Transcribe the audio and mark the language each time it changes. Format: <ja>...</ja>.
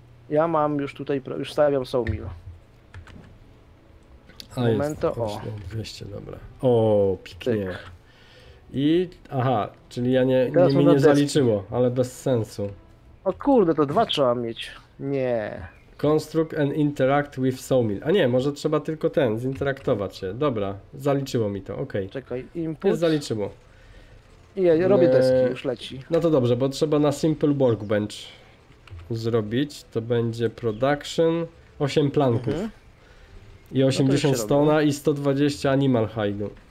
<pl>Ja mam już tutaj, już stawiam sawmill. A momento, jest, o. Właśnie, 200, dobra. O, pięknie. I, aha, czyli ja nie, nie mi nie deski. Zaliczyło, ale bez sensu. O kurde, to dwa trzeba mieć. Nie.</pl> <en>Construct and interact with sawmill.</en> <pl>A nie, może trzeba tylko ten, zinteraktować się. Dobra, zaliczyło mi to, okej. Okay. Czekaj, input. Jest, zaliczyło. Ja robię deski, już leci. No to dobrze, bo trzeba na simple workbench zrobić. To będzie production, 8 planków. Mhm. I 80 no stona i 120 animal hide'u.</pl>